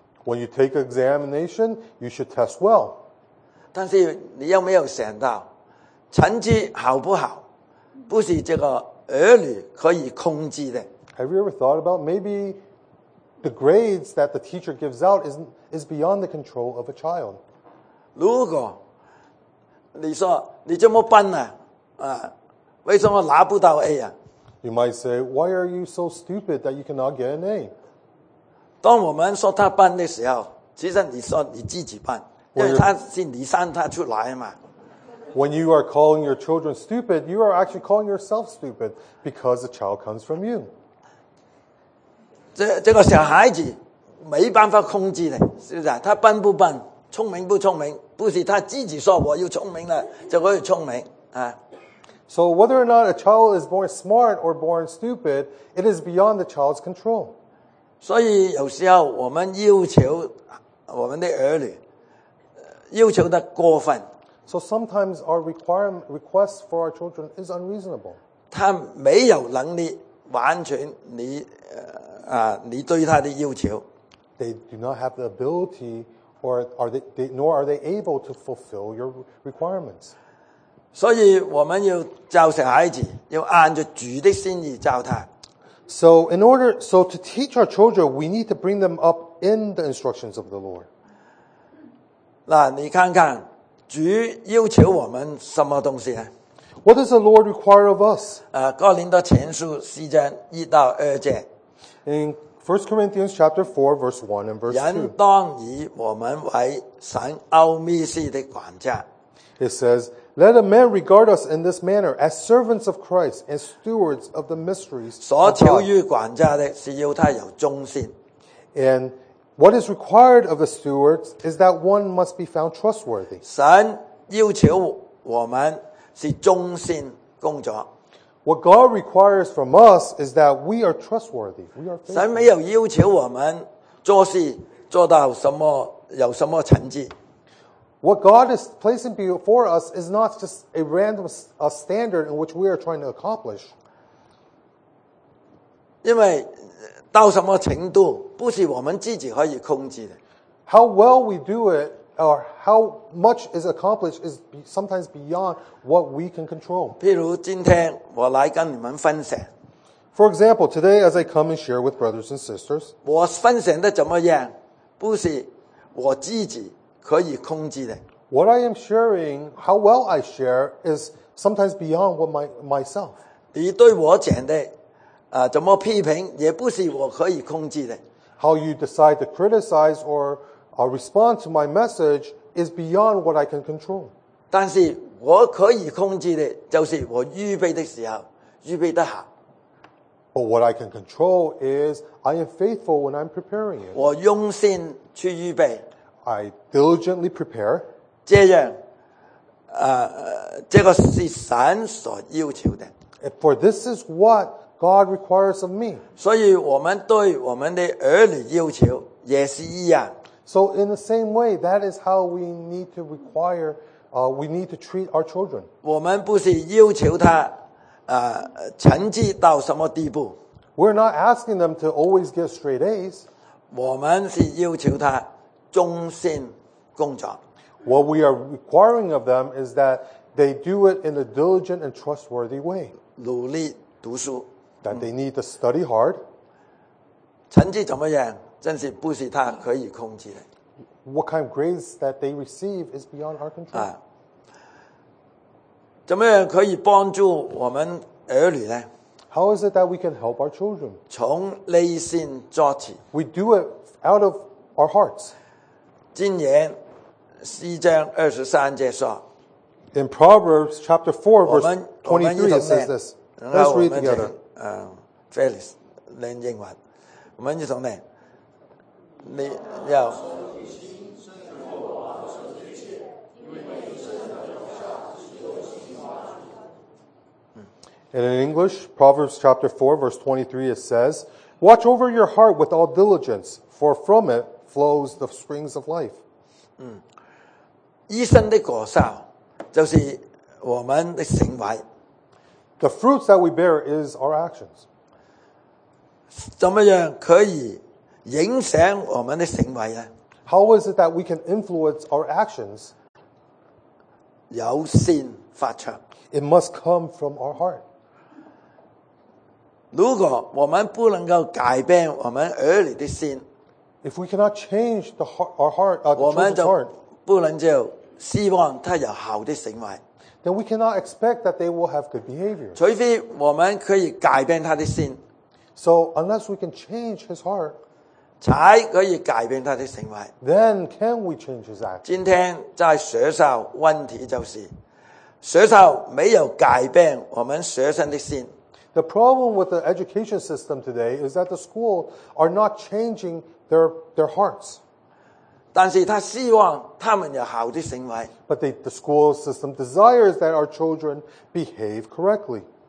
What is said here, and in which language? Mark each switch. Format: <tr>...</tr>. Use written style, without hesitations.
<en>When you take examination, you should test well.</en> <zh>但是你有没有想到，成绩好不好，不是这个儿女可以控制的。</zh> <en>Have you ever thought about maybe the grades that the teacher gives out is beyond the control of a child?</en> <zh>如果你说你这么笨呢？为什么拿不到 A 呀、啊、</zh> <en>？You might say, why are you so stupid that you cannot get an A?</en> <zh>当我们说他笨的时候，其实你说你自己笨，因为他是你生他出来嘛。</zh> <en>When you are calling your children stupid, you are actually calling yourself stupid because the child comes from you.</en> <zh>这个小孩子没办法控制的，是不是？他笨不笨，聪明不聪明，不是他自己说我又聪明了就可以聪明啊。</zh> <en>So whether or not a child is born smart or born stupid, it is beyond the child's control.</en> <zh>所以有时候我们要求我们的儿女要求得过分。</zh> <en>So sometimes our requests for our children is unreasonable.</en> <zh>他没有能力完成你对他的要求。</zh> <en>They do not have the ability, or are they able to fulfill your requirements.</en> <zh>所以我们要教小孩子，要按着主的心意教他。</zh> <en>So in order, so to teach our children, we need to bring them up in the instructions of the Lord.</en> <zh>那你看看。主要求我们什么东西啊</zh> <en>？What does the Lord require of us？</en> <zh>哥林多前书四章一到二节。</zh> <en>In 1 Corinthians chapter 4 verse 1 and verse 2。</en> <zh>人当以我们为神奥秘事的管家。</zh> <en>It says, "Let a man regard us in this manner as servants of Christ and stewards of the mysteries."</en> <zh>所求于管家的是要他有忠心。</zh> <en>And what is required of the stewards is that one must be found trustworthy.</en> <zh>神要求我们是忠心工作。</zh> <en>What God requires from us is that we are trustworthy. We are faithful.</en> <zh>神没有要求我们做事做到什么有什么成绩。</zh> <en>What God is placing before us is not just a random standard in which we are trying to accomplish.</en> <zh>因为到什么程度不是我们自己可以控制的。</zh> <en>How well we do it, or how much is accomplished, is sometimes beyond what we can control.</en> <zh>譬如今天我来跟你们分享。</zh> <en>For example, today as I come and share with brothers and sisters,</en> <zh>我分享的怎么样，不是我自己可以控制的。</zh> <en>What I am sharing, how well I share, is sometimes beyond what myself.</en> <zh>你对我讲的怎么批评也不是我可以控制的。</zh> <en>How you decide to criticize or respond to my message is beyond what I can control.</en> <zh>但是我可以控制的就是我预备的时候预备得好。</zh> <en>But what I can control is I am faithful when I'm preparing it.</en> <zh>我用心去预备。</zh> <en>I diligently prepare.</en> <zh>这样这个是神所要求的。</zh> <en>For this is what God requires of me.</en> <zh>所以我们对我们的儿女要求也是一样。</zh> <en>So in the same way, that is how we need to require, we need to treat our children.</en> <zh>我们不是要求他成绩到什么地步。</zh> <en>We're not asking them to always get straight A's.</en> <zh>我们是要求他忠心工作。</zh> <en>What we are requiring of them is that they do it in a diligent and trustworthy way.</en> <zh>努力读书。</zh> <en>That they need to study hard.</en> <zh>成绩怎么样，真是不是他可以控制的。</zh> <en>What kind of grades that they receive is beyond our control.</en> <zh>怎么样可以帮助我们儿女呢？</zh> <en>How is it that we can help our children?</en> <zh>从内心做起。</zh> <en>We do it out of our hearts.</en> <zh>箴言四章二十三节说。</zh> <en>In Proverbs chapter 4 verse 23 it says this. Let's read together.</en> <zh>Felix 能英文，我们一同念。你要</zh> <en>，And in English, Proverbs chapter 4, verse 23, it says, "Watch over your heart with all diligence, for from it flows the springs of life."</en> <zh>一生的果效就是我们的行为。</zh> <en>The fruits that we bear is our actions.</en> <zh>怎么样可以影响我们的行为呢？</zh> <en>How is it that we can influence our actions?</en> <zh>由心发出。</zh> <en>It must come from our heart.</en> <zh>如果我们不能够改变我们儿女的心，</zh> <en>If we cannot change our heart,</en> <zh>我们就不能就希望他有好的行为。</zh> <en>then we cannot expect that they will have good behavior.</en> <zh>除非我们可以改变他的心,</zh> <en>so unless we can change his heart,</en> <zh>才可以改变他的行为,</zh> <en>then can we change his action?</en> <zh>今天在学校问题就是, 学校没有改变我们学生的心,</zh> <en>the problem with the education system today is that the schools are not changing their hearts.</en> <zh>但是他希望他们有好的行为,</zh> <en>but the school system desires that our children behave correctly.</en>